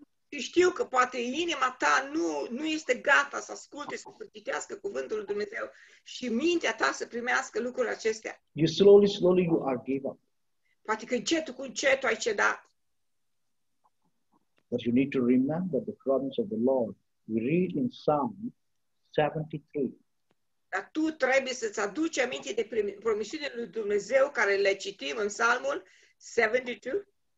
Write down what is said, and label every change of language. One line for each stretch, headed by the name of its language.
Romanian: Și știu că poate inima ta nu este gata să asculte, să citească cuvântul lui Dumnezeu și mintea ta să primească lucrurile acestea.
English: You slowly you are give up.
Romanian: Poate că încetul cu încetul ai cedat.
English: But you need to remember the promise of the Lord. We read in Psalm 73.
Romanian: Dar tu trebuie să-ți aduci aminte de promisiunile lui Dumnezeu care le citim în Psalmul 72.